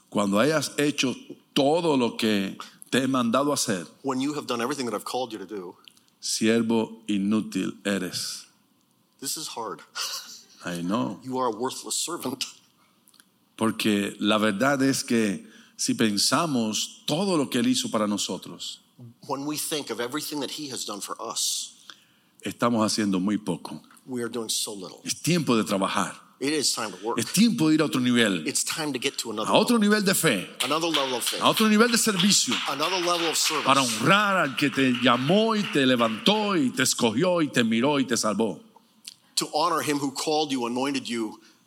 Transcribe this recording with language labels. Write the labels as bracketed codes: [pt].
[es] Cuando hayas hecho todo lo que te he mandado hacer. [en] When you have done everything that I've called you to do. [es] Siervo inútil eres. [en] This is hard. I know. You are a worthless servant. [es] Porque la verdad es que si pensamos todo lo que él hizo para nosotros, [en] when we think of everything that he has done for us, [es] estamos haciendo muy poco. [en] We are doing so little. [es] Es tiempo de trabajar. [en] It is time to work. [es] Es tiempo de ir a otro nivel. [en] It's time to get to another [es] a otro [en] level. [es] Nivel de fe. [en] Another level of faith. [es] A otro nivel de servicio. [en] Another level of service. [es] Para honrar al que te llamó y te levantó y te escogió y te miró y te salvó. [en] To honor him who called you, anointed you,